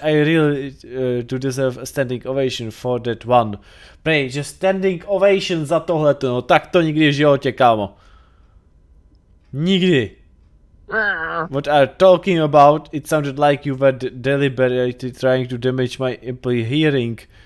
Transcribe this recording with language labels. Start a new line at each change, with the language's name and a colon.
English: I really do deserve a standing ovation for that one.
Czech: Prej, že standing ovation za tohleto, no tak to nikdy v životě, kámo. Nikdy.
English: What are you talking about? It sounded like you were deliberately trying to damage my employee hearing.